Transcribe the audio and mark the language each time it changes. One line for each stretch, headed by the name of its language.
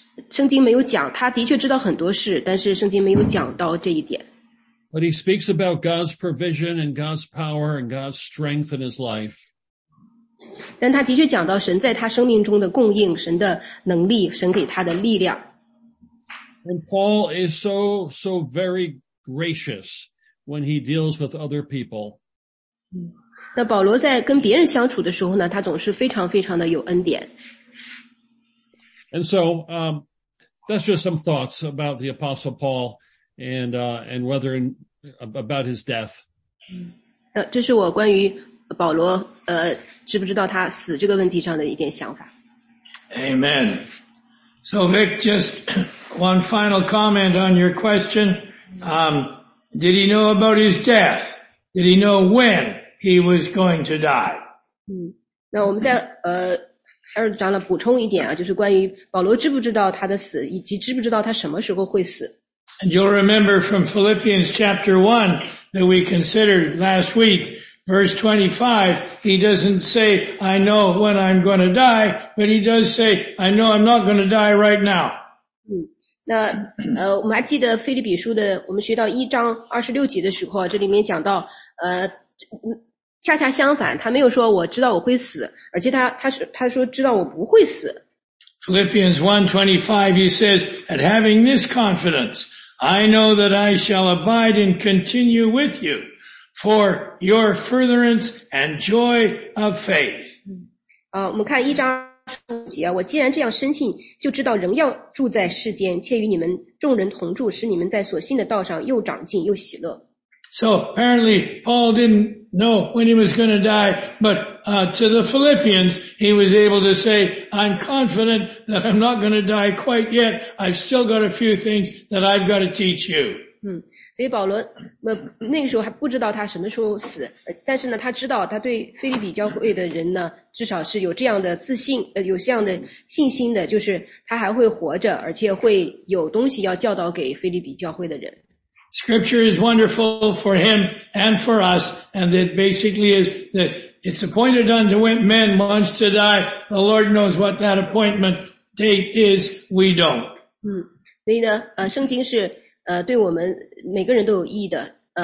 Chinese: 圣经没有讲，他的确知道很多事，但是圣经没有讲到这一点。
English: But he speaks about God's provision and God's power and God's strength in his life.
Chinese: 但他的确讲到神在他生命中的供应，神的能力，神给他的力量。
English: And Paul is so very gracious when he deals with other people.
Chinese: 那保罗在跟别人相处的时候呢，他总是非常非常的有恩典。
English: And so, that's just some thoughts about the Apostle Paul and whether in, about his death.
Chinese: 这是我关于保罗知不知道他死这个问题上的一点想法。
English: Amen. So Vic, just one final comment on your question. Did he know about his death? Did he know when he was going to die?
Chinese: 那我们再还是讲了补充一点啊，就是关于保罗知不知道他的死，以及知不知道他什么时候会死。
English: And you'll remember from Philippians chapter 1 that we considered last week, verse 25, he doesn't say, I know when I'm going to die, but he does say, I know I'm not going to die right now.
Chinese: 那我们还记得腓立比书的，我们学到1章26节的时候，这里面讲到恰恰相反，他没有说我知道我会死，而且他说知道我不会死。
English: Philippians 1:25, he says, and having this confidence, I know that I shall abide and continue with you for your furtherance and joy of faith.
Chinese: 我们看一章十五节，我既然这样深信，就知道仍要住在世间，且与你们众人同住，使你们在所信的道上又长进又喜乐。
English: So apparently Paul didn't know when he was going to die, but to the Philippians, he was able to say, I'm confident that I'm not going to die quite yet. I've still got a few things that I've got to teach you.
Chinese: 所以保罗那个时候还不知道他什么时候死，但是呢，他知道他对腓立比教会的人呢，至少是有这样的自信，有这样的信心的，就是他还会活着，而且会有东西要教导给腓立比教会的人。
English: Scripture is wonderful for him and for us, and it basically is that it's appointed unto men once to die. The Lord knows what that appointment date is. We don't.
Chinese: 所以呢，圣经是对我们每个人都有意义的。